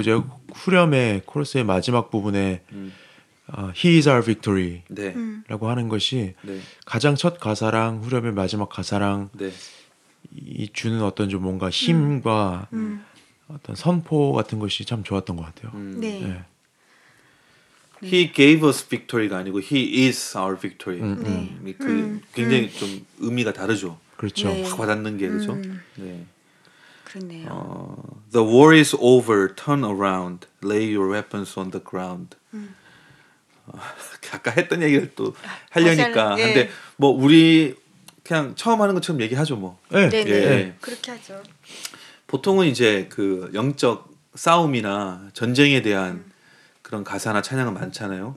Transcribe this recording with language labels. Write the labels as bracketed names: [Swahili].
[Korean] 이제 후렴의 코러스의 마지막 부분에 [English] He is our victory [Korean] 네. 라고 하는 것이 네. 가장 첫 가사랑 후렴의 마지막 가사랑 네. 이 주는 어떤 좀 뭔가 힘과 어떤 선포 같은 것이 참 좋았던 것 같아요. [English] He gave us victory가 [Korean] 아니고 [English] he is our victory. [Korean] 그 굉장히 좀 의미가 다르죠. 그렇죠. 네. 확 받는 게 그렇죠. 네. 그렇네요. [English] The war is over. Turn around. Lay your weapons on the ground. [Korean] 아까 했던 얘기를 또 하려니까. 예. 근데 뭐 우리 그냥 처음 하는 것처럼 얘기하죠, 뭐. 네. 네. 예. 그렇게 하죠. 보통은 이제 그 영적 싸움이나 전쟁에 대한 그런 가사나 찬양은 많잖아요.